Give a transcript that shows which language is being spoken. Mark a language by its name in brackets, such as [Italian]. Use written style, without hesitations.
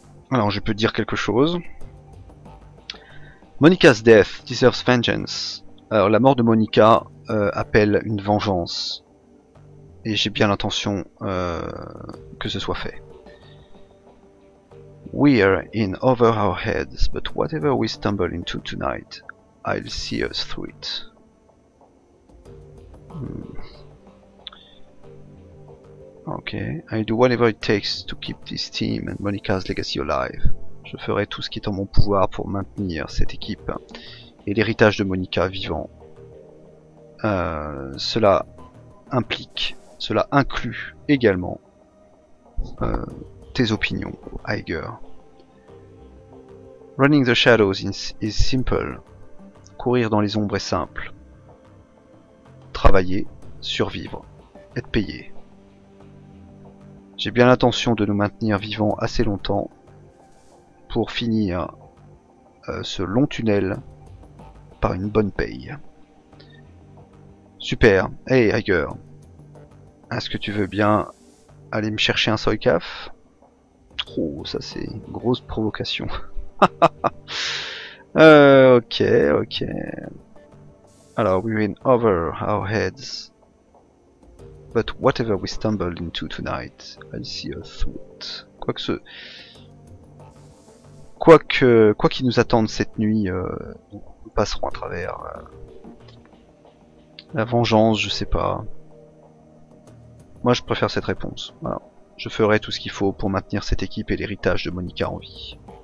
[French] Alors, je peux dire quelque chose. [English] Monica's death deserves vengeance. [French] Alors, la mort de Monica appelle une vengeance. Et j'ai bien l'intention que ce soit fait. [English] We're in over our heads, but whatever we stumble into tonight, I'll see us through it. Ok, I do whatever it takes to keep this team and Monica's legacy alive. [French] Je ferai tout ce qui est en mon pouvoir pour maintenir cette équipe et l'héritage de Monica vivant. Cela inclut également tes opinions, Iger. [English] Running the shadows is simple. [French] Courir dans les ombres est simple. Travailler, survivre, être payé. J'ai bien l'intention de nous maintenir vivants assez longtemps pour finir ce long tunnel par une bonne paye. Super. Hey, Iger. Est-ce que tu veux bien aller me chercher un soy caf? Oh, ça c'est une grosse provocation. ok. Alors, [English] we're in over our heads. But whatever we stumble into tonight, I see a thought. [French] Quoi qui nous attende cette nuit, nous passerons à travers la vengeance, je sais pas. Moi, je préfère cette réponse. Voilà. Je ferai tout ce qu'il faut pour maintenir cette équipe et l'héritage de Monica en vie.